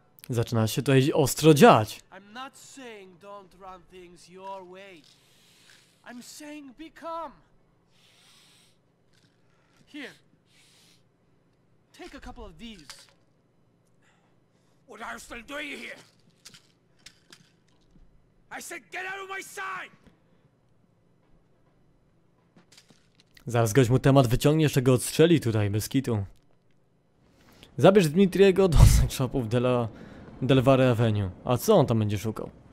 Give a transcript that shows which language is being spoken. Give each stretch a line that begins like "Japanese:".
Polish: Zaczyna się tutaj ostro dziać.
English: I'm not saying don't run things your way. I'm saying be calm. Here. Take a couple of these. What are you still doing here? I said get out of my sight!
Polish: Zaraz gość mu temat wyciągnie, jeszcze go odstrzeli tutaj, bez kitu. Zabierz Dmitriego do sex-shopów Delvare Avenue. A co on tam będzie szukał?